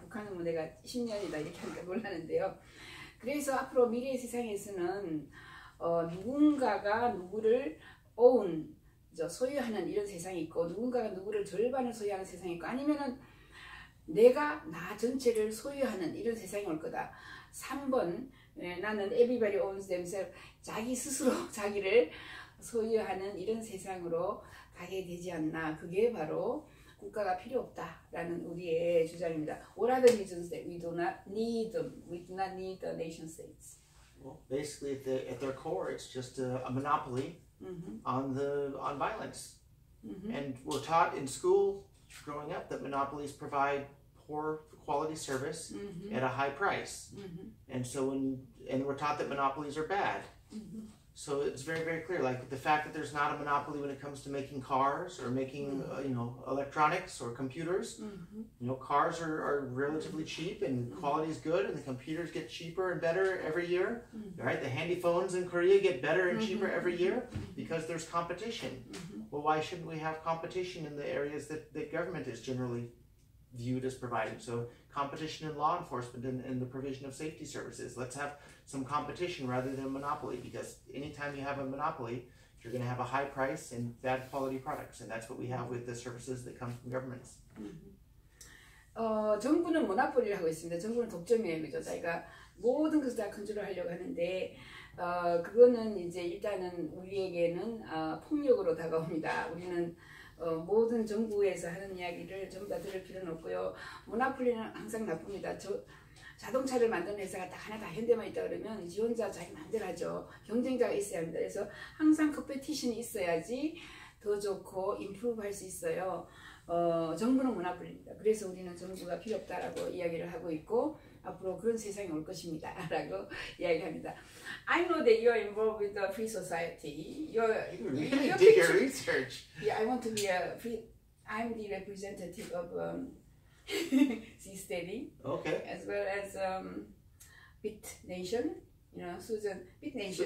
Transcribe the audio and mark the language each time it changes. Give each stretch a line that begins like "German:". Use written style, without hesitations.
Korean: 북한은 뭐 내가 10년이다 이렇게 하니까 몰랐는데요. 그래서 앞으로 미래의 세상에서는 누군가가 누구를 own, 소유하는 이런 세상이 있고 누군가가 누구를 절반을 소유하는 세상이 있고 아니면은 내가 나 전체를 소유하는 이런 세상이 올 거다. 3번 나는
English: everybody owns themselves,
Korean: 자기 스스로 자기를 소유하는 이런 세상으로 가게 되지 않나. 그게 바로 국가가 필요 없다라는 우리의 주장입니다.
English: What are the reasons that we do not need them? We do not need the nation states. Well, basically at their core, it's just a monopoly mm-hmm. on violence. Mm-hmm. And we're taught in school growing up that monopolies provide poor quality service mm-hmm. at a high price. Mm-hmm. And so we're taught that monopolies are bad. Mm-hmm. So it's very, very clear. Like the fact that there's not a monopoly when it comes to making cars or making, mm-hmm. Electronics or computers. Mm-hmm. You know, cars are relatively mm-hmm. cheap and mm-hmm. quality is good and the computers get cheaper and better every year. Mm-hmm. Right? The handy phones in Korea get better and cheaper mm-hmm. every year because there's competition. Mm-hmm. Well, why shouldn't we have competition in the areas that government is generally viewed as providing? So competition in law enforcement and in the provision of safety services. Let's have some competition rather than a monopoly, because anytime you have a monopoly, you're going to have a high price and bad quality products. And that's what we have with the services that come from governments. Mm-hmm.
Korean: 정부는 모노폴리를 하고 있습니다. 정부는 독점이에요. 그죠? 자기가 모든 것을 다 컨트롤 하려고 하는데 그거는 이제 일단은 우리에게는 폭력으로 다가옵니다. 우리는 모든 정부에서 하는 이야기를 전부 다 들을 필요는 없고요. 모나폴리는 항상 나쁩니다. 자동차를 만드는 회사가 딱 하나 다 현대만 있다 그러면 이 혼자 자기 마음대로 하죠. 경쟁자가 있어야 합니다. 그래서 항상 컴페티션이 있어야지 더 좋고 임프루브 할 수 있어요. 정부는 모나폴리입니다. 그래서 우리는 정부가 필요 없다라고 이야기를 하고 있고 앞으로 그런 세상이 올 것입니다 라고 이야기합니다.
English: I know that you are involved with the free society. You really did your research. Yeah, I want to be a free. I'm the representative of C-Steady. Okay. As well as Bit Nation. You know, Susan. Bit Nation.